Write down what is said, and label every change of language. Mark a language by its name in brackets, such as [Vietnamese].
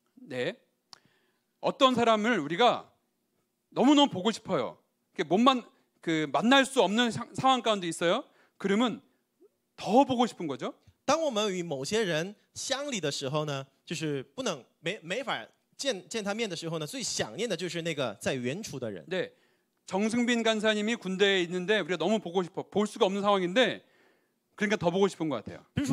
[Korean] 네, 어떤 사람을 우리가 너무너무 보고 싶어요. 몸만 그 만날 수 없는 상황 가운데 있어요. 그러면 더 보고 싶은 거죠. [Chinese] 当我们与某些人相离的时候呢，就是不能没法见他面的时候呢，最想念的就是那个在原处的人。 [Korean] 네, 정승빈 간사님이 군대에 있는데 우리가 너무 보고 싶어 볼 수가 없는 상황인데 그러니까 더 보고 싶은 것 같아요.